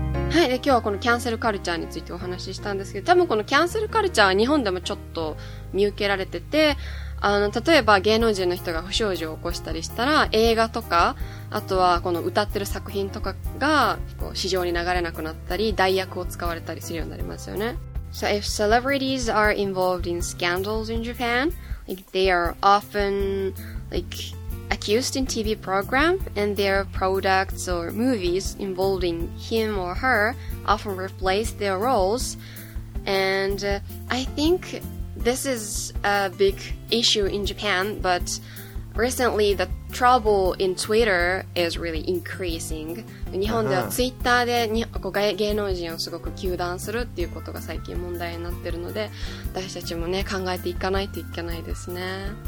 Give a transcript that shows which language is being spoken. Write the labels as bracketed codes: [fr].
[ja] はい、で今日はこのキャンセルカルチャーについてお話ししたんですけど、多分このキャンセルカルチャーは日本でもちょっと見受けられてて、例えば芸能人の人が不祥事を起こしたりしたら、映画とかあとはこの歌ってる作品とかがこう市場に流れなくなったり、代役を使われたりするようになりますよね。 [en] So if celebrities are involved in scandals in Japan, like they are often like accused in TV program, and their products or movies involving him or her often replace their roles. And I think this is a big issue in Japan, but recently the trouble in Twitter is really increasing. [ja] 日本ではツイッターで芸能人をすごく糾弾するっていうことが最近問題になってるので、私たちもね、考えていかないといけないですね。